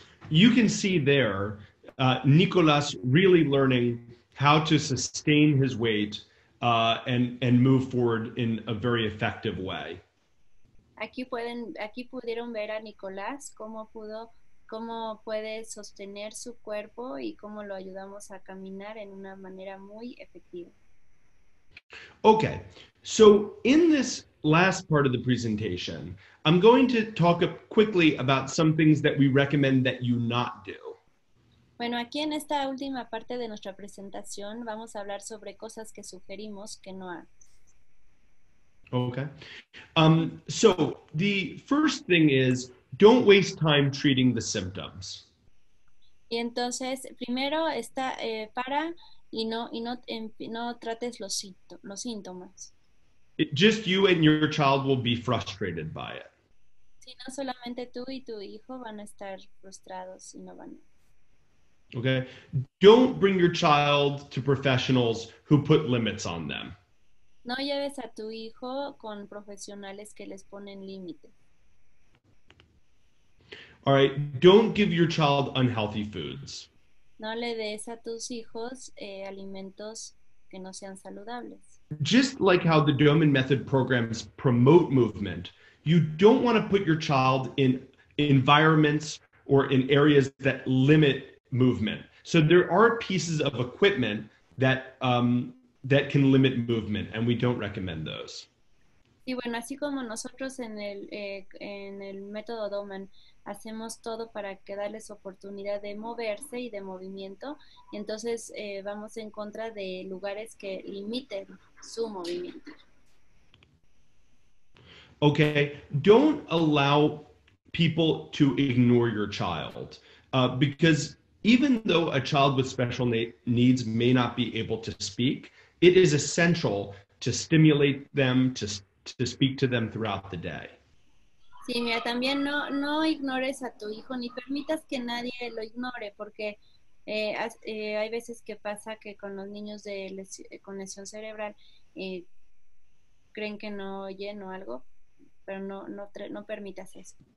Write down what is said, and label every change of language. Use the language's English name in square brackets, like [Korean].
[English] You can see there, Nicolas really learning how to sustain his weight and move forward in a very effective way. [Spanish] Aquí pudieron ver a Nicolás cómo puede sostener su cuerpo y cómo lo ayudamos a caminar en una manera muy efectiva. [English] Okay, so in this last part of the presentation, I'm going to talk quickly about some things that we recommend that you not do. [Spanish] Bueno, aquí en esta última parte de nuestra presentación vamos a hablar sobre cosas que sugerimos que no hagas. [English] Okay. So the first thing is don't waste time treating the symptoms. [Spanish] Y entonces, primero está para y no trates los síntomas. [English] It, just you and your child will be frustrated by it. [Spanish] Si no, solamente tú y tu hijo van a estar frustrados y no van a... [English] Okay. Don't bring your child to professionals who put limits on them. [Spanish] No lleves a tu hijo con profesionales que les ponen límites. [English] All right. Don't give your child unhealthy foods. [Spanish] No le des a tus hijos alimentos que no sean saludables. [English] Just like how the Doman Method programs promote movement, you don't want to put your child in environments or in areas that limit movement. So there are pieces of equipment that that can limit movement, and we don't recommend those. [Spanish] Y bueno, así como nosotros en el método Doman hacemos todo para que darles oportunidad de moverse y de movimiento, y entonces vamos en contra de lugares que limiten su movimiento. [English] Okay, don't allow people to ignore your child, because even though a child with special needs may not be able to speak, it is essential to stimulate them to speak to them throughout the day. [Spanish] Sí, mira, también no ignores a tu hijo ni permitas que nadie lo ignore, porque hay veces que pasa que con los niños de con lesión cerebral creen que no oyen o algo, pero no permitas eso.